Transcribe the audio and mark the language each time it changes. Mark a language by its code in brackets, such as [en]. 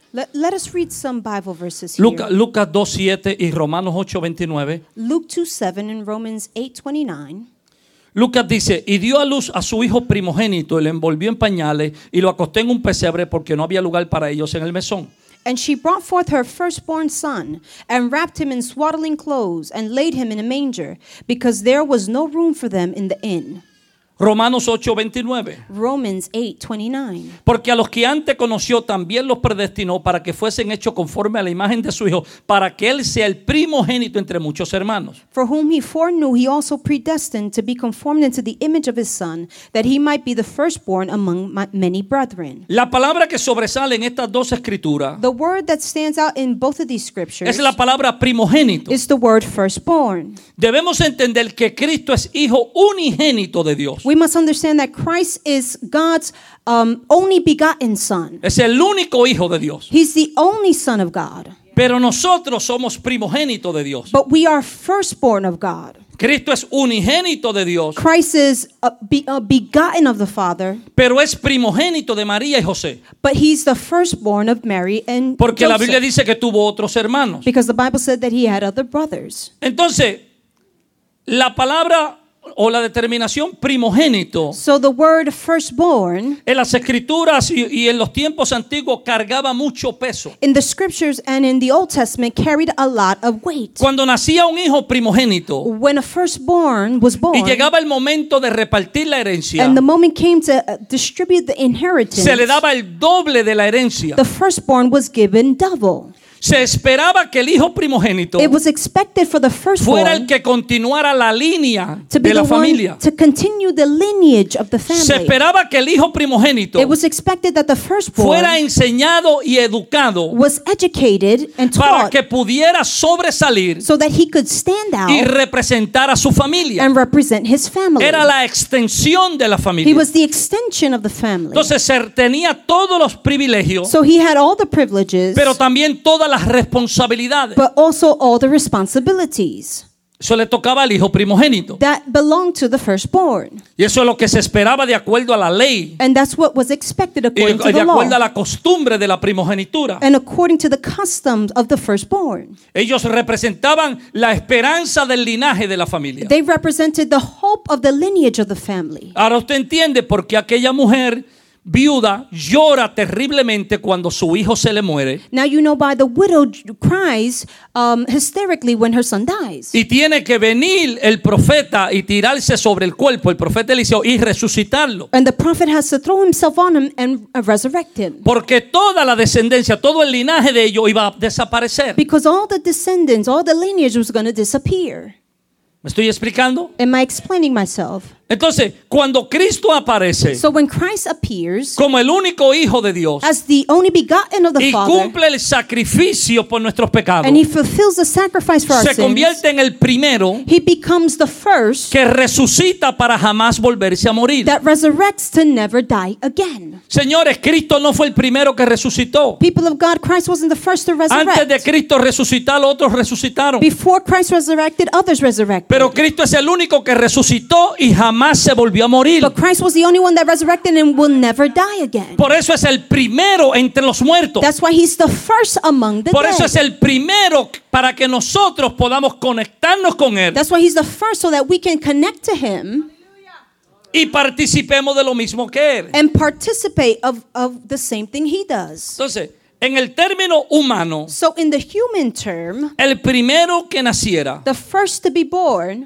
[en] Let us read some Bible verses here. [es] Lucas 2:7 y Romanos 8:29. [en] Luke 2:7 and Romans 8:29. [es] Lucas dice, y dio a luz a su hijo primogénito, y le envolvió en pañales y lo acostó en un pesebre porque no había lugar para ellos en el mesón. [en] And she brought forth her firstborn son and wrapped him in swaddling clothes and laid him in a manger because there was no room for them in the inn. [es] Romanos 8:29. [en] Romans 8:29. [es] Porque a los que antes conoció también los predestinó para que fuesen hechos conforme a la imagen de su hijo, para que él sea el primogénito entre muchos hermanos. [en] For whom he foreknew, he also predestined to be conformed into the image of his son, that he might be the firstborn among many brethren. [es] La palabra que sobresale en estas dos escrituras, [en] the word that stands out in both of these scriptures, [es] es la palabra primogénito. [en] Is the word firstborn. [es] Debemos entender que Cristo es hijo unigénito de Dios. [en] We must understand that Christ is God's only begotten son. [es] Es el único hijo de Dios. [en] He's the only son of God. [es] Pero nosotros somos primogénito de Dios. [en] But we are firstborn of God. [es] Cristo es unigénito de Dios. [en] Christ is begotten of the Father. [es] Pero es primogénito de María y José. [en] But he's the firstborn of Mary and [es] Porque la Biblia dice que tuvo otros hermanos. [en] Because the Bible said that he had other brothers. [es] Entonces, la palabra o la determinación primogénito. [en] So the word firstborn, [es] en las escrituras y en los tiempos antiguos cargaba mucho peso. [en] In the scriptures and in the Old Testament carried a lot of weight. [es] Cuando nacía un hijo primogénito, [en] when a firstborn was born, [es] y llegaba el momento de repartir la herencia, [en] and the moment came to distribute the inheritance, [es] se le daba el doble de la herencia. [en] The firstborn was given double. [es] Se esperaba que el hijo primogénito fuera el que continuara la línea de la familia. [en] To continue the lineage of the family. [es] Se esperaba que el hijo primogénito fuera enseñado y educado para que pudiera sobresalir [en] so that he could stand out [es] y representar a su familia. [en] And represent his family. [es] Era la extensión de la familia. [en] He was the extension of the family. [es] Entonces tenía todos los privilegios, [en] so he had all the privileges, [es] pero también todas las responsabilidades. [en] But also all the responsibilities. [es] Eso le tocaba al hijo primogénito. [en] That belonged to the firstborn. [es] Y eso es lo que se esperaba de acuerdo a la ley. [en] And that's what was expected according to the law. [es] Y de acuerdo a la costumbre de la primogenitura. [en] And according to the customs of the firstborn. [es] Ellos representaban la esperanza del linaje de la familia. [en] They represented the hope of the lineage of the family. [es] Ahora usted entiende por qué aquella mujer viuda llora terriblemente cuando su hijo se le muere. [en] Now you know why the widow cries hysterically when her son dies. [es] Y tiene que venir el profeta y tirarse sobre el cuerpo, el profeta Eliseo, y resucitarlo. [en] And the prophet has to throw himself on him and resurrect him. [es] Porque toda la descendencia, todo el linaje de ellos iba a desaparecer. [en] Because all the descendants, all the lineage was going to disappear. [es] ¿Me estoy explicando? [en] Am I explaining myself? [es] Entonces, cuando Cristo aparece, [en] so when Christ appears, [es] como el único hijo de Dios, [en] as the only begotten of the [es] y [en] Father, [es] cumple el sacrificio por nuestros pecados, [en] and he fulfills the sacrifice for [es] se [en] our sins, [es] convierte en el primero, [en] he becomes the first, [es] que resucita para jamás volverse a morir, [en] that resurrects to never die again. [es] Señores, Cristo no fue el primero que resucitó. [en] People of God, Christ wasn't the first to resurrect. [es] Antes de Cristo resucitar, otros resucitaron. [en] Before Christ resurrected, others resurrected. [es] Pero Cristo es el único que resucitó y jamás se volvió a morir. [en] But Christ was the only one that resurrected and will never die again. [es] Por eso es el primero entre los muertos. [en] That's why he's the first among the dead. [es] Por eso es el primero para que nosotros podamos conectarnos con él. [en] That's why he's the first so that we can connect to him. [es] Y participemos de lo mismo que él. [en] And participate of the same thing he does. [es] Entonces, en el término humano, [en] so in the human term, [es] el primero que naciera, [en] the first to be born,